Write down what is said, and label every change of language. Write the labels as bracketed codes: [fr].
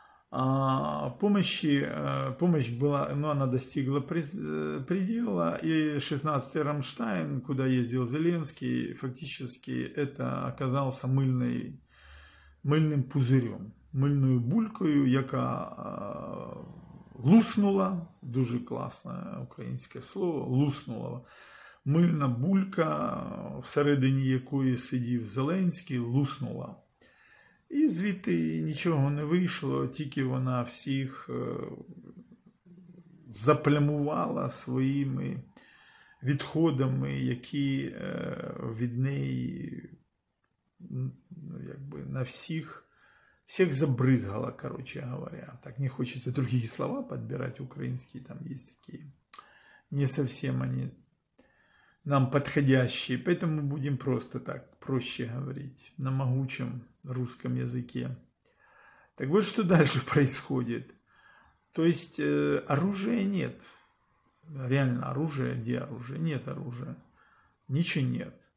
[ru] Помощь была, ну, она достигла предела, и 16-й Рамштайн, куда ездил Зеленский, фактически это оказался мыльным пузырем, мыльную булькою, яка луснула, дуже класное украинское слово, луснула, мыльна булька, [uk] всередині якої сидів Зеленський, луснула. І звідти нічого не вийшло, тільки вона всіх заплямувала своїми відходами, які від неї, ну, якби на всіх забризгала, [ru] короче говоря. [uk] Так не хочеться другі слова підбирати українські, там є такі не зовсім вони нам підходящі. [ru] Поэтому будемо просто так, проще говорить, на могучем русском языке. Так вот, что дальше происходит. То есть, оружия нет. Реально, оружие, где оружие? Нет оружия. Ничего нет.